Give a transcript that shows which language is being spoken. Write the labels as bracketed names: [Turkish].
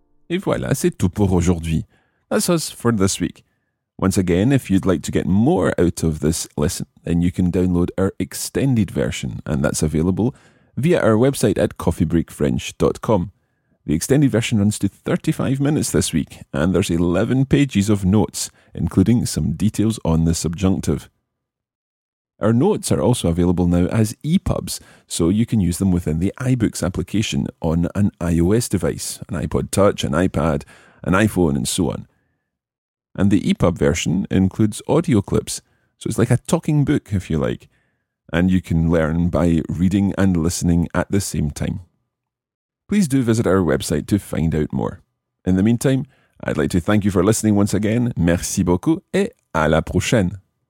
[French] Et voilà, c'est tout pour aujourd'hui. [English] That's us for this week. Once again, if you'd like to get more out of this lesson, then you can download our extended version, and that's available via our website at coffeebreakfrench.com. The extended version runs to 35 minutes this week, and there's 11 pages of notes, including some details on the subjunctive. Our notes are also available now as EPUBs, so you can use them within the iBooks application on an iOS device, an iPod Touch, an iPad, an iPhone, and so on. And the EPUB version includes audio clips, so it's like a talking book, if you like, and you can learn by reading and listening at the same time. Please do visit our website to find out more. In the meantime, I'd like to thank you for listening once again. [French] Merci beaucoup et à la prochaine.